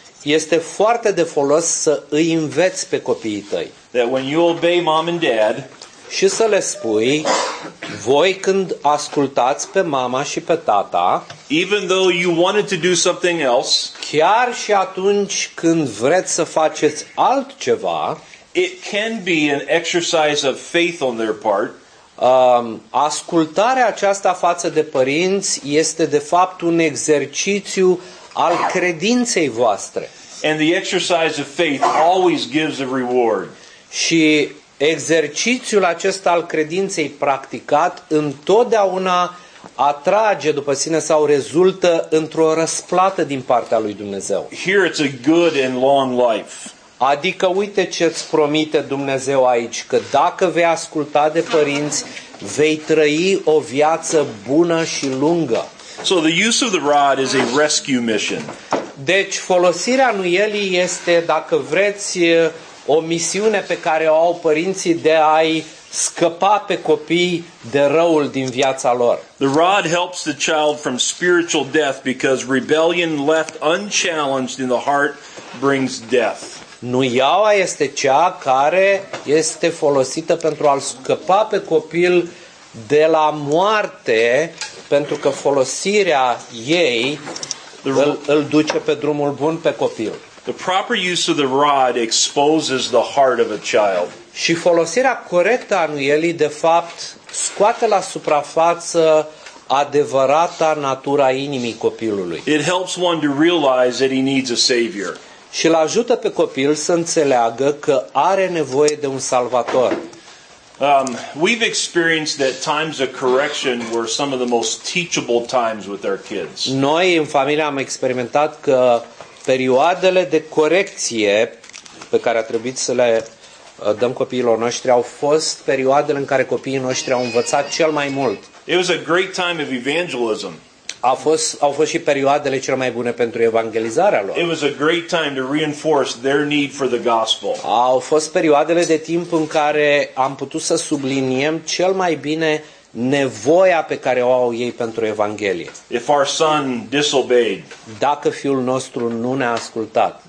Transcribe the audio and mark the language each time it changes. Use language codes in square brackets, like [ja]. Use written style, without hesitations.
[ro] Este foarte de folos să îi înveți pe copiii tăi. [en] That when you obey mom and dad, [ro] și să le spui, voi când ascultați pe mama și pe tata, [en] even though you wanted to do something else, [ro] chiar și atunci când vreți să faceți altceva, [en] it can be an exercise of faith on their part. [ro] Ascultarea aceasta față de părinți este de fapt un exercițiu al credinței voastre. [en] And the exercise of faith always gives a reward. [ro] Și exercițiul acesta al credinței practicat întotdeauna atrage după sine sau rezultă într-o răsplată din partea lui Dumnezeu. [en] Here it's a good and long life. [ro] Adică uite ce îți promite Dumnezeu aici, că dacă vei asculta de părinți, vei trăi o viață bună și lungă. [en] So the use of the rod is a rescue mission. [ro] Deci folosirea nuielii este, dacă vreți, o misiune pe care o au părinții de a-i scăpa pe copii de răul din viața lor. [en] The rod helps the child from spiritual death because rebellion left unchallenged in the heart brings death. [ro] Nuiaua este cea care este folosită pentru a-l scăpa pe copil de la moarte, pentru că folosirea ei îl duce pe drumul bun pe copil. [en] The proper use of the rod exposes the heart of a child. [ro] Și folosirea corectă a nuielii de fapt scoate la suprafață adevărata natura inimii copilului. [en] It helps one to realize that he needs a savior. [ro] Și îl ajută pe copil să înțeleagă că are nevoie de un salvator. [en] We've experienced that times of correction were some of the most teachable times with our kids. [ro] Noi în familie am experimentat că perioadele de corecție pe care a trebuit să le dăm copiilor noștri au fost perioadele în care copiii noștri au învățat cel mai mult. [en] It was a great time of evangelism. [ro] Au fost și perioadele cele mai bune pentru evangelizarea lor. [en] It was a great time to reinforce their need for the gospel. [ro] Au fost perioadele de timp în care am putut să subliniem cel mai bine nevoia pe care o au ei pentru evanghelie. [en] If our son disobeyed, [ro] dacă fiul nostru nu ne-a ascultat,